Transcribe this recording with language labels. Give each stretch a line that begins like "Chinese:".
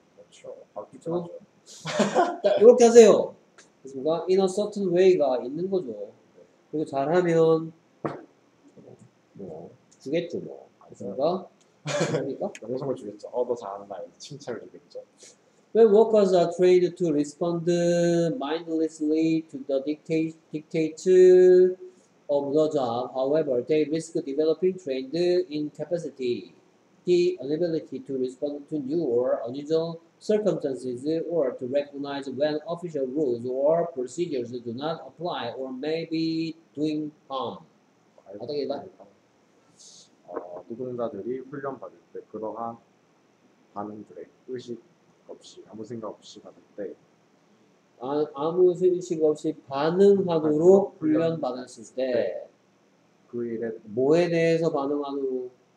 Korean: 그렇죠. 그렇죠? 이렇게 하세요. 그렇습니까?
English: In a certain way가
Korean: 있는 거죠. 그리고 잘하면 뭐 주겠죠 뭐 그러니까 그러니까 명성을 주겠죠 너 잘하는 말 칭찬을 주겠죠
English: When workers are trained to respond mindlessly to the dictates of the job, however, they risk developing trained incapacity, the inability to respond to new or unusual circumstances, or to recognize when official rules or procedures do not apply or may be doing harm.
Korean: 어떻게 해야 돼? 노동자들이 훈련받을 때 그러한 반응들에 의식 없이 아무 생각 없이 받을 때 아무 의식 없이 반응하도록 훈련받았을 때 그 일에 뭐에 대해서 반응하도록